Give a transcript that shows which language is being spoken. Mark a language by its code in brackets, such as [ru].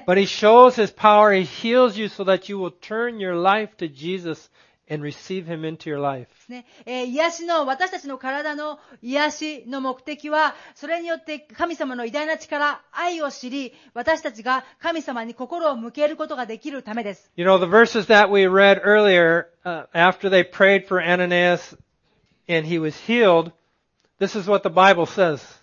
[en] But He shows His power, He heals you so that you will turn your life to Jesus. And receive him into your life. [ja] 癒しの私たちの体の癒しの目的は、それによって神様の偉大な力、愛を知り、私たちが神様に心を向けることができるためです。 [en] You know, the verses that we read earlier, after they prayed for Ananias and he was healed, this is what the Bible says.